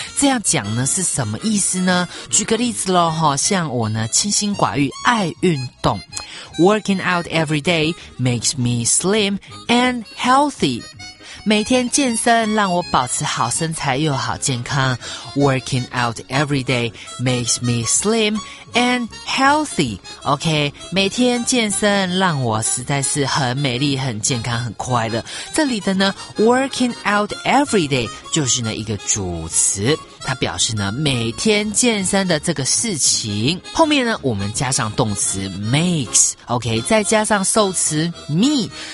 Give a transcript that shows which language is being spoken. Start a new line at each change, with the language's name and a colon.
Chinese: 这样讲呢是什么意思呢？举个例子咯齁，像我呢清心寡欲爱运动。
English: Working out every day makes me slim and healthy。
Chinese: 每天健身让我保持好身材又好健康。
English: Working out every day makes me slim and healthy.
Chinese: OK, 每天健身让我实在是很美丽、很健康、很快乐。这里的呢 ，
English: working out every day
Chinese: 就是呢一个主词，它表示呢每天健身的这个事情。后面呢，我们加上动词 makes。OK, 再加上受词 me。